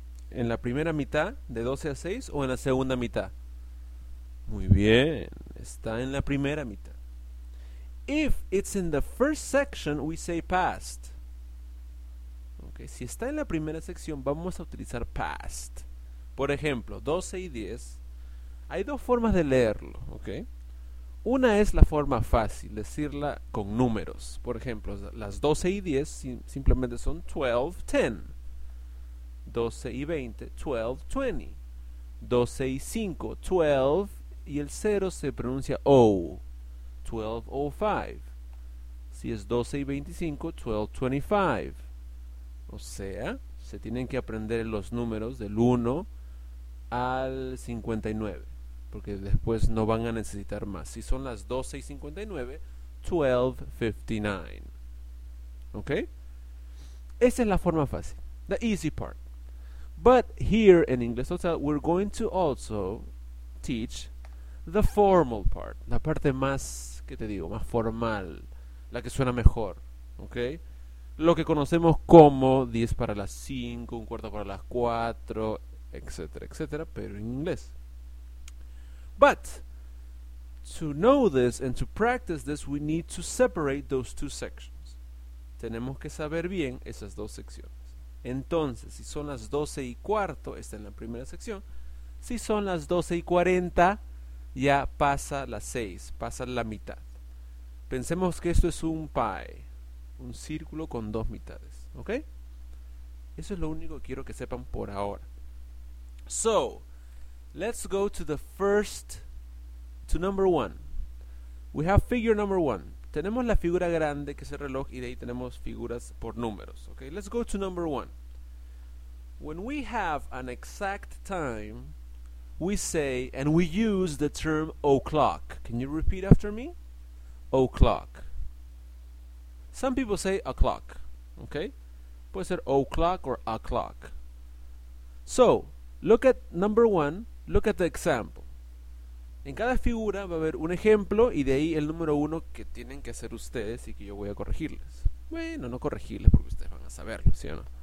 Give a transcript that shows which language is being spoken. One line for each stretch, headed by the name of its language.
Spanish: ¿En la primera mitad de 12 a 6 o en la segunda mitad? Muy bien, está en la primera mitad.
English: If it's in the first section, we say past.
Spanish: Okay, si está en la primera sección, vamos a utilizar past. Por ejemplo, 12 y 10. Hay dos formas de leerlo, ¿okay? Una es la forma fácil, decirla con números. Por ejemplo, las 12 y 10 simplemente son 12:10. 12 y 20, 12:20. 12 y 5, 12, y el 0 se pronuncia O. 12:05. Si es 12 y 25, 12:25. O sea, se tienen que aprender los números del 1 al 59, porque después no van a necesitar más. Si son las 12 y 59, 12:59. ¿Ok? Esa es la forma fácil,
English: the easy part. But here in English Hotel, we're going to also teach the formal part.
Spanish: La parte más, ¿qué te digo? Más formal. La que suena mejor. ¿Ok? Lo que conocemos como 10 para las 5, un cuarto para las 4, etcétera, etcétera, pero en inglés.
English: But to know this and to practice this, we need to separate those two sections.
Spanish: Tenemos que saber bien esas dos secciones. Entonces, si son las 12 y cuarto, está en la primera sección. Si son las 12 y 40, ya pasa las 6, pasa la mitad. Pensemos que esto es un pie, un círculo con dos mitades. ¿Ok? Eso es lo único que quiero que sepan por ahora.
English: So, let's go to the first, to number one. We have figure number one.
Spanish: Tenemos la figura grande, que es el reloj, y de ahí tenemos figuras por números.
English: ¿Ok? Let's go to number one. When we have an exact time, we say and we use the term o'clock. Can you repeat after me? O'clock. Some people say o'clock. Okay?
Spanish: Puede ser o'clock or o'clock.
English: So, look at number one, look at the example.
Spanish: En cada figura va a haber un ejemplo y de ahí el número uno que tienen que hacer ustedes y que yo voy a corregirles. Bueno, no corregirles porque ustedes van a saberlo, ¿sí o no?